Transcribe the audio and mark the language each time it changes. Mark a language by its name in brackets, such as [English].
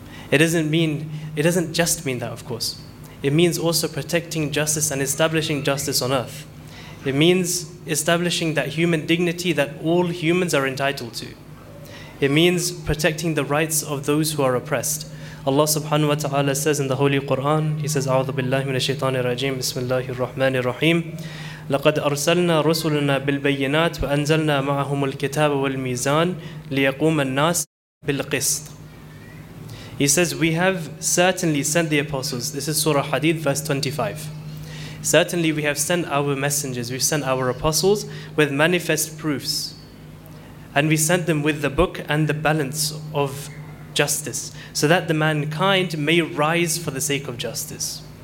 [English] It doesn't just mean that, of course. It means also protecting justice and establishing justice on earth. It means establishing that human dignity that all humans are entitled to. It means protecting the rights of those who are oppressed. Allah subhanahu wa ta'ala says in the Holy Quran, He says, [Arabic] أعوذ بالله من الشيطان الرجيم بسم الله الرحمن الرحيم لقد أرسلنا رسلنا بالبينات وأنزلنا معهم الكتاب والميزان ليقوم الناس بالقسط. [English] He says, we have certainly sent the apostles. This is Surah Hadid, verse 25. Certainly we have sent our messengers, we've sent our apostles with manifest proofs. And we sent them with the book and the balance of justice, so that the mankind may rise for the sake of justice.